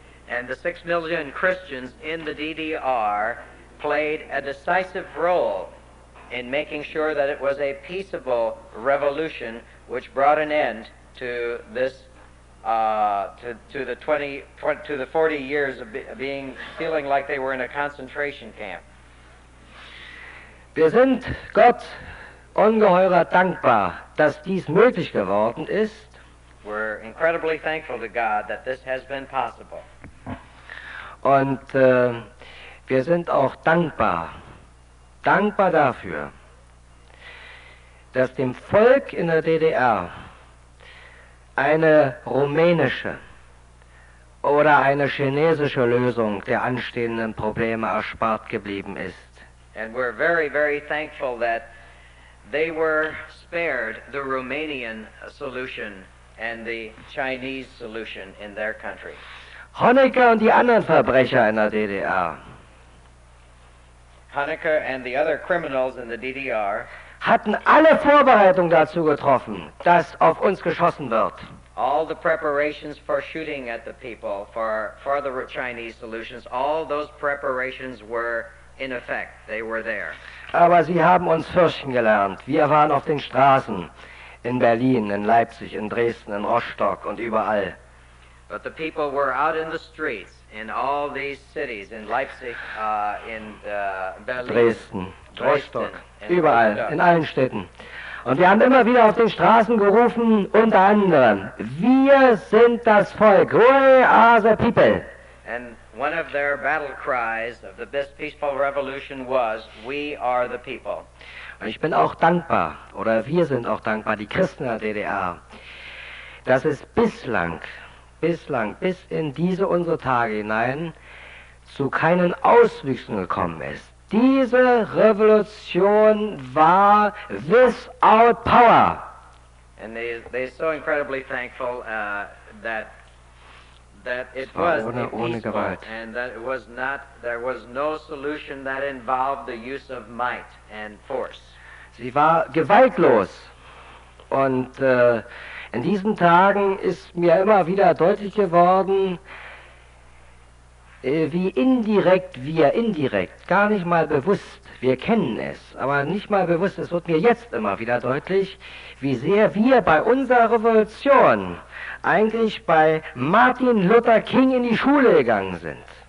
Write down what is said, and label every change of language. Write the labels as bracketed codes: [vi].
[en] And the 6 million Christians in the DDR played a decisive role in making sure that it was a peaceable revolution which brought an end to this to the 40 years of being feeling like they were in a concentration camp. [de] Wir sind Gott ungeheuer dankbar, dass dies möglich geworden ist. [en] We're incredibly thankful to God that this has been possible. [de] Und wir sind auch dankbar, dankbar dafür, dass dem Volk in der DDR eine rumänische oder eine chinesische Lösung der anstehenden Probleme erspart geblieben ist. [en] And we're very, very thankful that they were spared the Romanian solution and the Chinese solution in their country. [de] Honecker und die anderen Verbrecher in der DDR. [en] Honecker and the other criminals in the DDR [de] hatten alle Vorbereitungen dazu getroffen, dass auf uns geschossen wird. [en] All the preparations for shooting at the people for the Chinese solutions, all those preparations were in effect, they were there. [de] Aber sie haben uns fürchten gelernt. Wir waren auf den Straßen in Berlin, in Leipzig, in Dresden, in Rostock und überall. [en] But the people were out in the streets in all these cities, in Leipzig, in Berlin, [de] Dresden, Rostock, überall, in allen Städten. Und wir haben immer wieder auf den Straßen gerufen, unter anderem, wir sind das Volk. [en] We are the people. And one of their battle cries of the best peaceful revolution was, we are the people. [de] Und ich bin auch dankbar, oder wir sind auch dankbar, die Christen der DDR, dass es bislang, bis in diese unsere Tage hinein, zu keinen Auswüchsen gekommen ist. Diese Revolution war [en] without power. And they are so incredibly thankful that it was [de] ohne Gewalt. [en] And that it was not, there was no solution that involved the use of might and force. [de] Sie war gewaltlos. Und in diesen Tagen ist mir immer wieder deutlich geworden, wie indirekt wir, indirekt, gar nicht mal bewusst, Wir kennen es, aber nicht mal bewusst, es wird mir jetzt immer wieder deutlich, wie sehr wir bei unserer Revolution eigentlich bei Martin Luther King in die Schule gegangen sind.